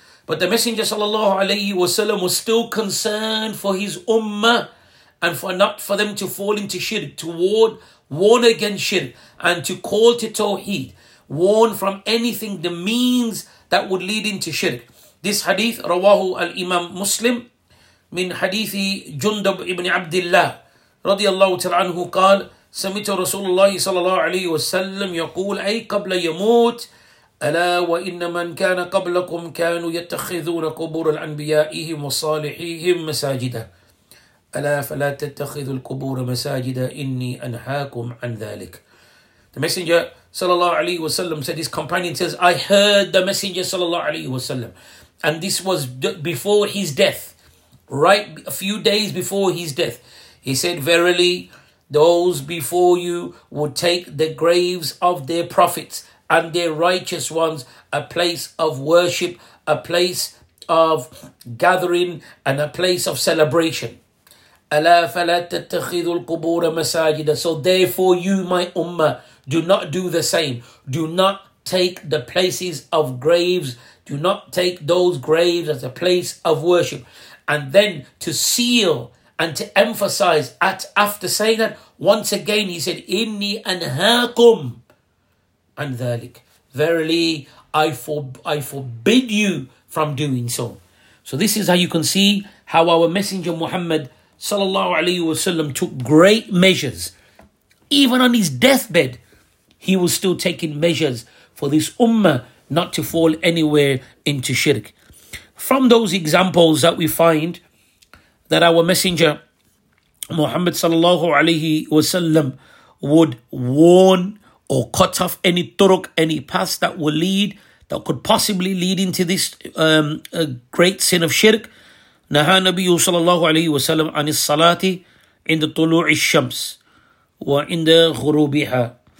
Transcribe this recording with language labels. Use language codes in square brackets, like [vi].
[en] But the Messenger sallallahu alayhi wa sallam was still concerned for his ummah and for not for them to fall into shirk, to warn against shirk and to call to tawheed, warn from anything, the means that would lead into shirk. This hadith, [ar] rawahu al-imam Muslim, من حديث جندب ابن عبد الله رضي الله تعالى عنه قال سمعت رسول الله صلى الله عليه وسلم يقول أي قبل يموت ألا وإن من كان قبلكم كانوا يتخذون قبور الأنبيائهم وصالحيهم مساجدا ألا فلا تتخذوا القبور مساجدا إني أنهاكم عن ذلك. [en] The Messenger [ar] صلى الله عليه وسلم [en] said, his companion says, I heard the Messenger صلى الله عليه وسلم, and this was before his death. right a few days before his death. He said, "Verily, those before you will take the graves of their prophets and their righteous ones, a place of worship, a place of gathering, and a place of celebration." [ar] Allah فَلَا تَتَّخِذُ الْقُبُورَ مَسَاجِدًا. [en] So therefore you, my ummah, do not do the same. Do not take the places of graves. Do not take those graves as a place of worship. And then to seal and to emphasize at after saying that, once again he said, [ar] إِنِّي أَنْهَاكُمْ عَنْ ذَلِكَ. [en] Verily, I forbid you from doing so. So this is how you can see how our Messenger Muhammad sallallahu alayhi wa sallam took great measures. Even on his deathbed, he was still taking measures for this ummah not to fall anywhere into shirk. From those examples that we find that our Messenger Muhammad sallallahu alayhi wa sallam would warn or cut off any turuq, any paths that will lead, that could possibly lead into this great sin of shirk. [ar] نهى النبي صلى الله عليه وسلم عن الصلاة عند طلوع الشمس وعند غروبها.